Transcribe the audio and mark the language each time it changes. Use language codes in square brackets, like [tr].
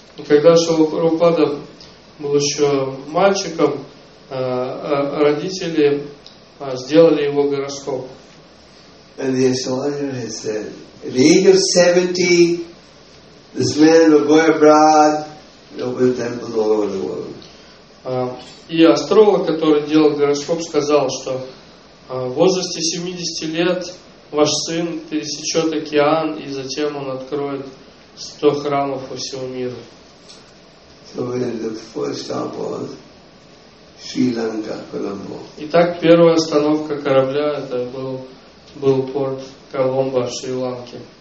[ru] когда Шрила Прабхупада был еще мальчиком, родители сделали его гороскоп. [en] And the astrologer has said, at the age of 70, this man will go abroad and open a temple all over the world. [ru] И астролог, который делал гороскоп, сказал, что в возрасте 70 лет ваш сын пересечет океан, и затем он откроет 100 храмов по всему миру. Итак, первая остановка корабля это был порт Коломбо в Шри-Ланке.